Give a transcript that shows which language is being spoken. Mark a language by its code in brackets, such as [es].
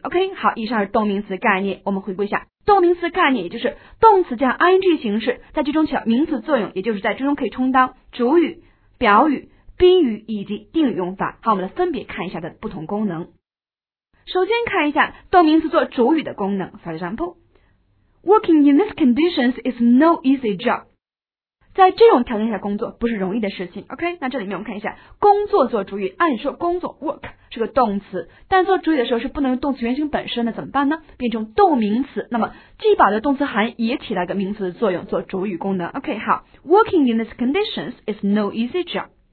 [zh] OK， 好，以上是动名词概念。我们回顾一下动名词概念，也就是动词加 ing 形式在句中起到名词作用，也就是在句中可以充当主语、表语、宾语以及定语用法。好，我们来分别看一下的不同功能。首先看一下动名词做主语的功能。 [en] For example, working in these conditions is no easy job. [zh] 在这种条件下工作不是容易的事情。OK, 那这里面我们看一下工作做主语，按说工作 work 是个动词，但做主语的时候是不能用动词原形本身的，怎么办呢？变成动名词，那么既保留动词含义，也起到一个名词的作用，做主语功能。 [en] OK, 好， working in these conditions is no easy job.